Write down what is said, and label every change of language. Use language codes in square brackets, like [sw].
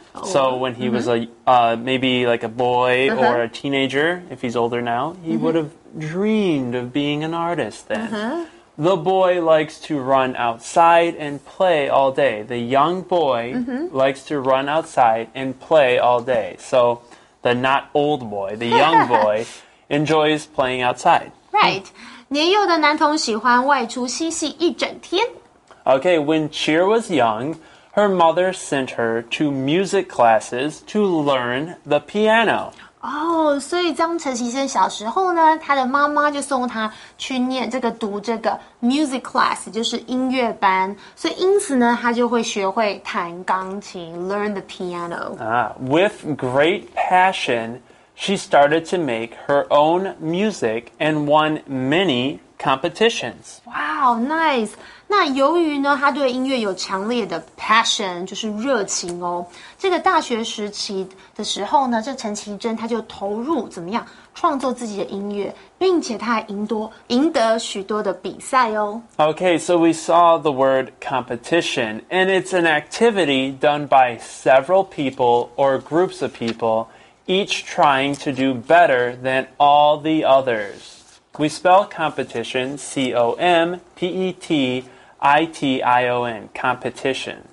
[en] So when he was maybe like a boy or a teenager, if he's older now, he would have dreamed of being an artist then. The boy likes to run outside and play all day. The young boy likes to run outside and play all day. So the not old boy, the young boy, enjoys playing outside. Right. [zh] 年幼的男童喜欢外出嬉戏一整天。 [en] Okay, when Cheer was young, her mother sent her to music classes to learn the piano. [zh] 哦，所以张晨曦生小时候呢，他的妈妈就送他去念这个读这个 music class， 就是音乐班，所以因此呢，他就会学会弹钢琴 ， [en] learn the piano. With great passion, she started to make her own music and won many competitions. Wow, nice. [zh] 那由于呢，他对音乐有强烈的 passion， 就是热情哦。这个大学时期的时候呢，这陈绮贞他就投入怎么样创作自己的音乐，并且他还赢得许多的比赛哦。 [en] Okay, so we saw the word competition, and it's an activity done by several people or groups of people, each trying to do better than all the others. We spell competition C-O-M-P-E-T-I-T-I-O-N, competition.